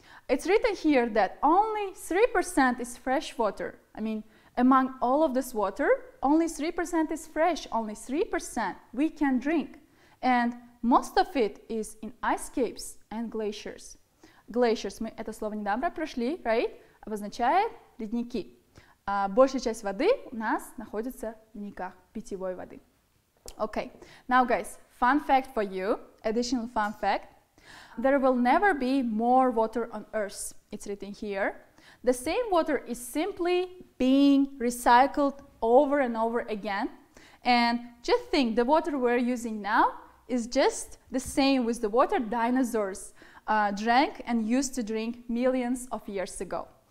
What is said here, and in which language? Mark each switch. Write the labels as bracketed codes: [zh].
[en] It's written here that only 3% is fresh water. I mean, among all of this water, only 3% is fresh, only 3% we can drink. And most of it is in ice caps and glaciers. [ru] Glaciers, мы это слово недавно прошли, right? Обозначает ледники. Большая часть воды у нас находится в ледниках, питьевой воды. [en] Okay, now guys, fun fact for you, additional fun fact. There will never be more water on Earth. It's written here. The same water is simply being recycled over and over again. And just think, the water we're using now is just the same with the water dinosaurs drank and used to drink millions of years ago.